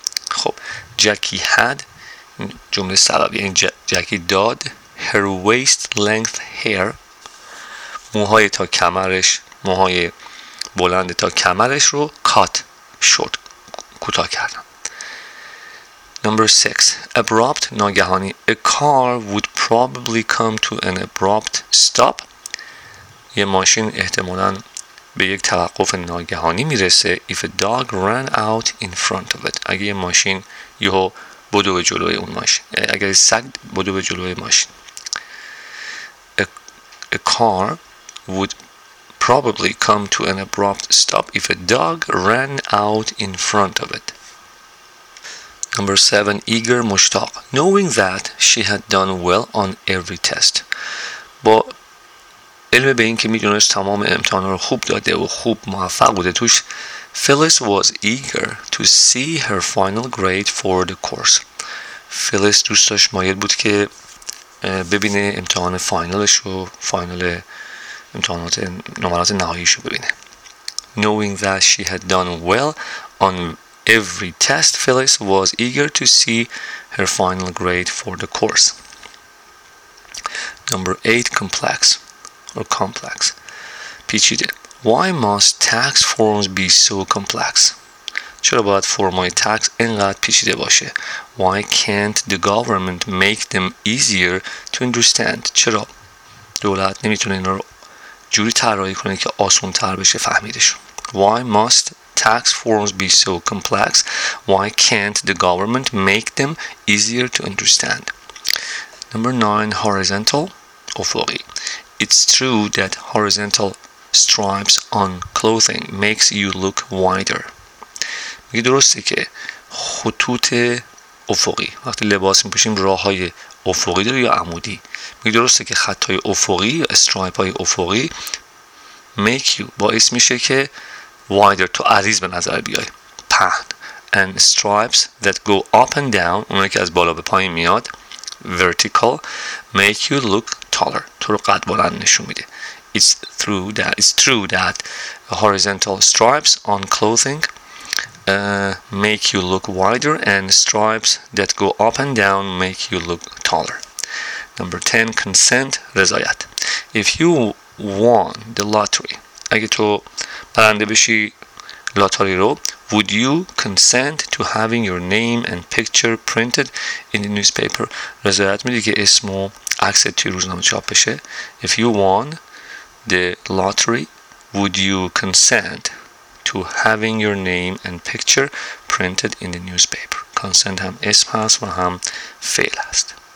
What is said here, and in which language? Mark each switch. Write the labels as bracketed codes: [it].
[fa] خب, [en] Jackie had, [fa] جمله سببی, این Jackie داد, [en] her waist length hair, [fa] موهای تا کمرش, موهای بلند تا کمرش رو [en] cut short, [fa] کوتاه کردن. [en] Number six, abrupt, [fa] ناگهانی. [en] A car would probably come to an abrupt stop. [fa] یه ماشین احتمالاً به یک توقف ناگهانی میرسه. [en] If a dog ran out in front of it. [fa] اگه یه ماشین یهو بدو به جلوی اون ماشین. اگه سگ بدو به جلوی ماشین. [en] A car would probably come to an abrupt stop if a dog ran out in front of it. Number seven, eager, [fa] مشتاق. [en] Knowing that she had done well on every test. [fa] با علم به این که میدونست تمام امتحان رو خوب داده و خوب موفق بوده توش، [en] Phyllis was eager to see her final grade for the course. [fa] Phyllis دوستش مایل بود که ببینه امتحان فاینالش رو، فاینال امتحانات نمرات نهاییش رو ببینه. [en] Knowing that she had done well on every test, Phyllis was eager to see her final grade for the course. Number 8, complex or complex. [fa] پیچیده. [en] Why must tax forms be so complex? [fa] چرا باید فرم‌های تکس اینقدر پیچیده باشه؟ [en] Why can't the government make them easier to understand? [fa] چرا دولت نمیتونه اینا رو جوری طراحی کنه که آسان‌تر بشه فهمیدش؟ [en] Why must tax forms be so complex? Why can't the government make them easier to understand? Number 9, horizontal, [fa] افقی. [en] It's true that horizontal stripes on clothing makes you look wider. [fa] میگه درسته که خطوط افقی وقتی لباس میپوشیم راه های افقی داره یا عمودی. میگه درسته که خط های افقی یا استرایپ های افقی [en] make you [fa] باعث میشه که [en] wider [fa] تو عریض به نظر بیای. پهن. [en] And stripes that go up and down [fa] اونایی که از بالا به پایین میاد [en] vertical make you look taller [fa] تو رو قد بلند نشون میده. [en] It's true that horizontal stripes on clothing make you look wider and stripes that go up and down make you look taller. Number 10, consent, رضایت. If you won the lottery, [fa] اگه تو برنده بشی لاتاری رو, [en] would you consent to having your name and picture printed in the newspaper? [fa] رضایت میدی که اسم و عکست توی روزنامه چاپ بشه. [en] If you won the lottery, would you consent to having your name and picture printed in the newspaper? Consent [fa] ham ism hast, ham fail hast.